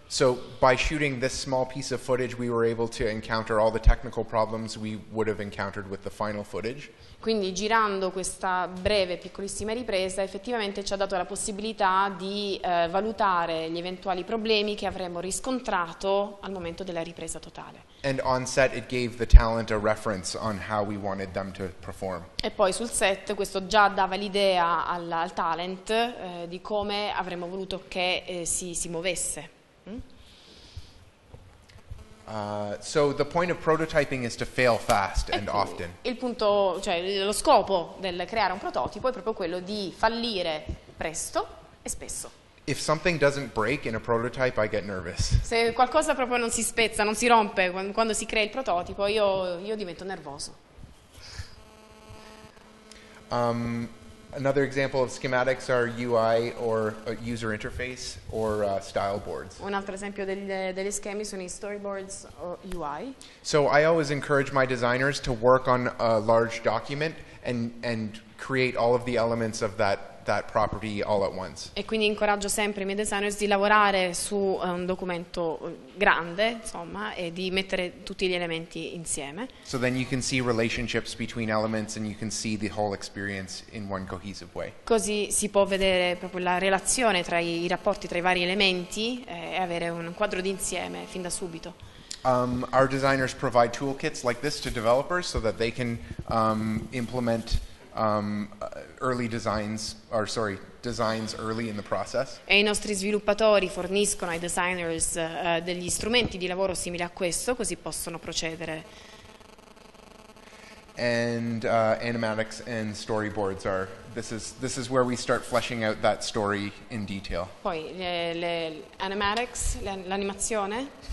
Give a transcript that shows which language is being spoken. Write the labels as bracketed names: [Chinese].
[English] So by shooting this small piece of footage, we were able to encounter all the technical problems we would have encountered with the final footage. [Italian] Quindi girando questa breve piccolissima ripresa, effettivamente ci ha dato la possibilità di valutare gli eventuali problemi che avremmo riscontrato al momento della ripresa totale. [English] And on set it gave the talent a reference on how we wanted them to perform. [Italian] E poi sul set questo già dava l'idea al talent di come avremmo voluto che si muovesse. [English] So the point of prototyping is to fail fast and often. [Italian] Il punto, cioè lo scopo del creare un prototipo è proprio quello di fallire presto e spesso. [English] If something doesn't break in a prototype, I get nervous. [Italian] Se qualcosa proprio non si spezza, non si rompe quando si crea il prototipo, io divento nervoso. [English] Another example of schematics are UI or user interface or style boards. [Italian] Un altro esempio degli schemi sono i storyboards o UI. [English] So I always encourage my designers to work on a large document and create all of the elements of that property all at once. [Italian] E quindi incoraggio sempre i miei designers di lavorare su un documento grande, insomma, e di mettere tutti gli elementi insieme. [English] So then you can see relationships between elements and you can see the whole experience in one cohesive way. [Italian] Così si può vedere proprio la relazione tra i rapporti tra i vari elementi e avere un quadro d'insieme fin da subito. [English] Our designers provide toolkits like this to developers so that they can implement early designs, or sorry, designs early in the process. [Italian] E i nostri sviluppatori forniscono ai designers degli strumenti di lavoro simili a questo, così possono procedere. [English] And animatics and storyboards are this is where we start fleshing out that story in detail. [Italian] Poi le animatics, l'animazione.